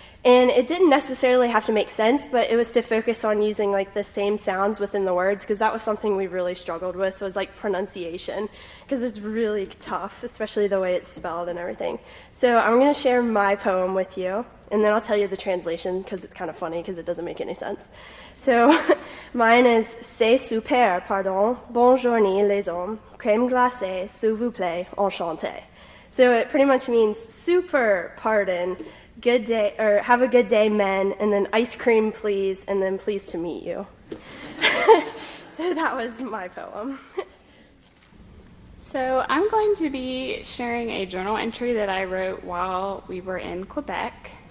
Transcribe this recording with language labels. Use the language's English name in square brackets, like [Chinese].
[English] And it didn't necessarily have to make sense, but it was to focus on using, like, the same sounds within the words, because that was something we really struggled with, was, like, pronunciation, because it's really tough, especially the way it's spelled and everything. So I'm going to share my poem with you, and then I'll tell you the translation, because it's kind of funny, because it doesn't make any sense. So mine is, [French] c'est super, pardon, bonne journée les hommes, crème glacée, s'il vous plaît, enchanté. [English] So it pretty much means, super, pardon, good day, or have a good day, men, and then ice cream, please, and then pleased to meet you. So that was my poem. So I'm going to be sharing a journal entry that I wrote while we were in Quebec.